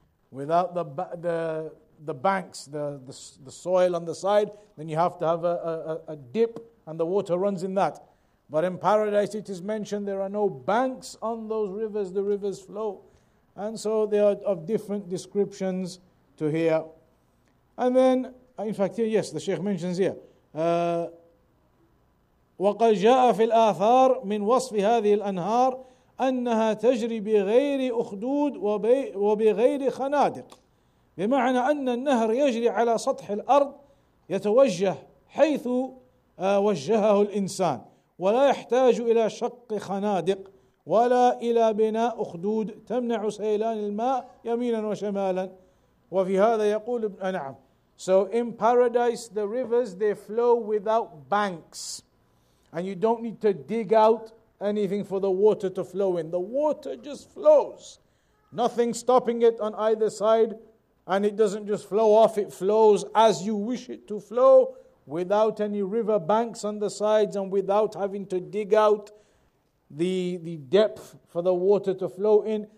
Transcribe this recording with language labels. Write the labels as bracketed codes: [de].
[en] Without the banks, the soil on the side, then you have to have a dip and the water runs in that. But in paradise it is mentioned there are no banks on those rivers, the rivers flow. And so they are of different descriptions to here. And then, in fact, here, yes, the Sheikh mentions here, [ar] وَقَدْ جَاءَ فِي الْآثَارِ مِنْ وَصْفِ هَذِهِ الْأَنْهَارِ أَنَّهَا تَجْرِي بِغَيْرِ أُخْدُودِ وَبِغَيْرِ خَنَادِقِ, بمعنى أن النهر يجري على سطح الأرض يتوجه حيث وجهه الإنسان ولا يحتاج إلى شق خنادق ولا إلى بناء أخدود تمنع سيلان الماء يمينا وشمالا. وفي هذا يقول ابن نعم. [en] So in paradise, the rivers, they flow without banks. And you don't need to dig out anything for the water to flow in. The water just flows. Nothing stopping it on either side. And it doesn't just flow off. It flows as you wish it to flow without any river banks on the sides and without having to dig out the depth for the water to flow in.